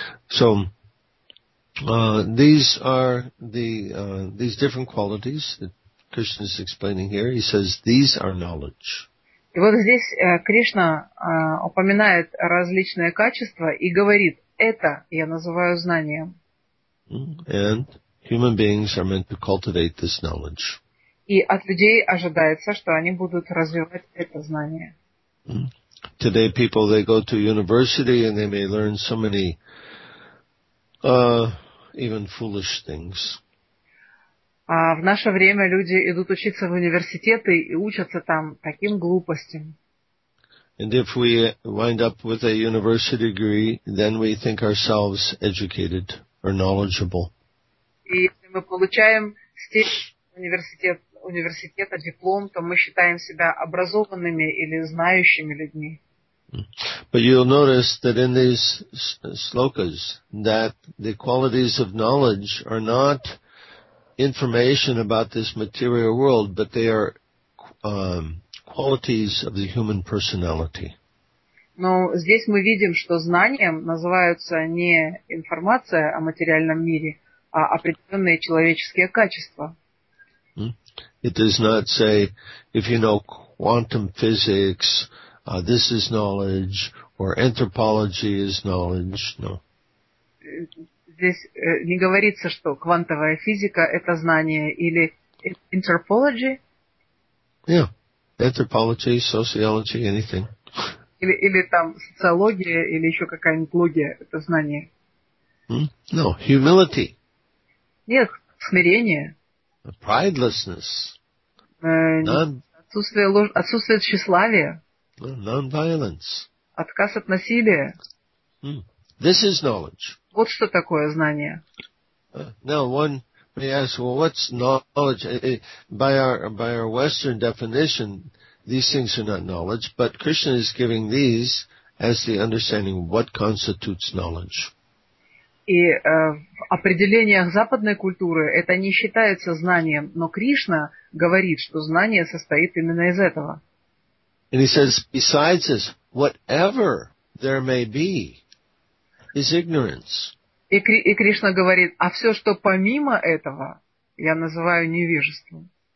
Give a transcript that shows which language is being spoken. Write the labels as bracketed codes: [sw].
[en] So, these are the these different qualities that Krishna is explaining here. He says, these are knowledge. [ru] И вот здесь Кришна упоминает различные качества и говорит, это я называю знанием. [en] And human beings are meant to cultivate this knowledge. [ru] И от людей ожидается, что они будут развивать это знание. [en] Today people, they go to university and they may learn so many even foolish things. [ru] А в наше время люди идут учиться в университеты и учатся там таким глупостям. [en] And if we wind up with a university degree, then we think ourselves educated or knowledgeable. [ru] И если мы получаем степень университета, диплом, то мы считаем себя образованными или знающими людьми. [en] But you'll notice that in these slokas that the qualities of knowledge are not information about this material world, but they are qualities of the human personality. [ru] Но здесь мы видим, что знанием называются не информация о материальном мире, а определенные человеческие качества. [en] It does not say, if you know quantum physics, this is knowledge, or anthropology is knowledge. No. [ru] Здесь не говорится, что квантовая физика – это знание, или anthropology? [en] Yeah, anthropology, sociology, anything. [ru] Или там социология, или еще какая-нибудь логия – это знание. [en] No, humility. [ru] Нет, смирение. [en] Pridelessness. [ru] Отсутствие тщеславия. [en] Non-violence. [ru] Отказ от насилия. [en] This is knowledge. [ru] Вот что такое знание. [en] Now, one may ask, well, what's knowledge? By our Western definition, these things are not knowledge, but Krishna is giving these as the understanding what constitutes knowledge. [ru] И в определениях западной культуры это не считается знанием, но Кришна говорит, что знание состоит именно из этого. [en] And he says, besides this, whatever there may be is ignorance. [ru] И Кришна говорит, а все, что помимо этого, я называю невежеством.